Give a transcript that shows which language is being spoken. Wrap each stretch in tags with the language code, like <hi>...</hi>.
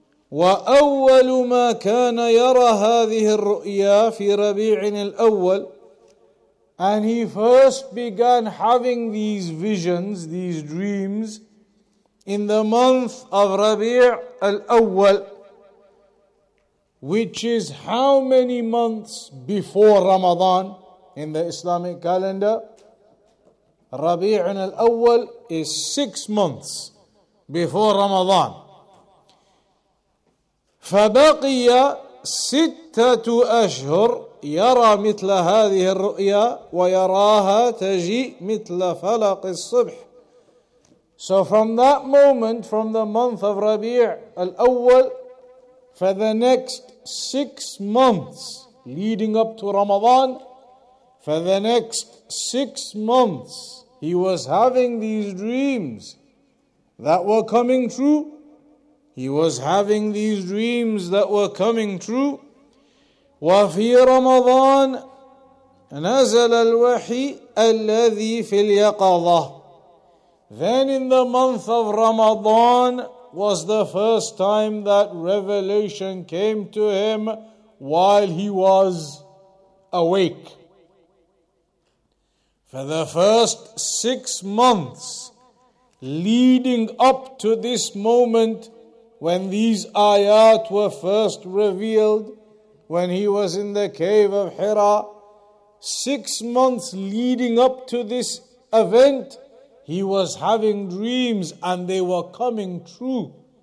<ar>وأول ما كان يرى هذه الرؤيا في ربيع الأول.</ar> <en>And he first began having these visions, these dreams, in the month of Rabi' al-Awwal, which is how many months before Ramadan in the Islamic calendar? Rabi' al-Awwal is 6 months before Ramadan.</en> <ar>فبقي ستة أشهر يرى مثل هذه الرؤيا ويراها تجيء مثل فلق الصبح.</ar> <en>So from that moment, from the month of Rabi' al-Awwal, for the next 6 months leading up to Ramadan, for the next 6 months, he was having these dreams that were coming true. He was having these dreams that were coming true.</en> <ar>وفي رمضان نزل الوحي الذي في اليقظة.</ar> <en>Then in the month of Ramadan was the first time that revelation came to him while he was awake. For the first 6 months leading up to this moment when these ayat were first revealed, when he was in the cave of Hira, 6 months leading up to this event, he was having dreams and they were coming true.</en>